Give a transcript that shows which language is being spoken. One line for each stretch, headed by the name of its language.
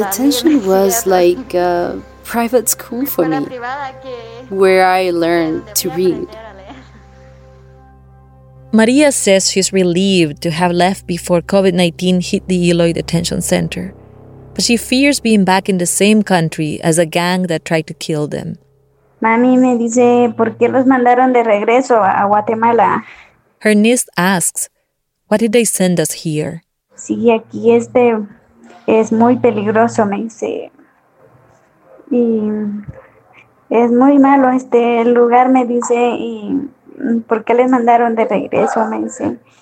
English: the detention was like private school for me, where I learned to read. Maria says she's relieved to have left before COVID-19 hit the Eloy Detention Center, but she fears being back in the same country as a gang that tried to kill them.
Spanish: Mami me dice, ¿por qué los mandaron de regreso a Guatemala?
English: Her niece asks, what did they send us here?
Spanish: Sí, aquí este es muy peligroso, me dice. Y es muy malo este lugar, me dice, y ¿por qué les mandaron de regreso?, me dice.